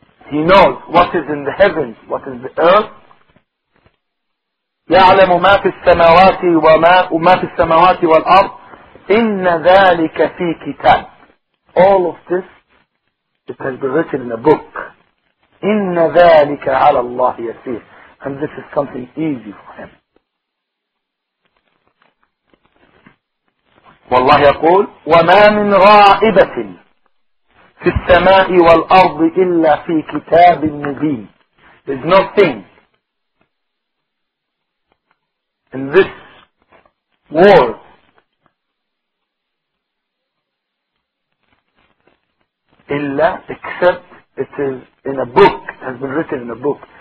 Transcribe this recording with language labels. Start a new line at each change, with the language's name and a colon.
English: He knows what is in the heavens, what is the earth.
Arabic: يعلم ما في السماوات وما في السماوات والأرض. إن ذلك في كتاب.
English: All of this, it has been written in a book.
Arabic: إن ذلك على الله يسير.
English: And this is something easy for him.
Arabic: والله يقول وما من غائبة في السماء والأرض إلا في كتاب مبين.
English: There's nothing in this world إلا except it is in a book, it has been written in a book.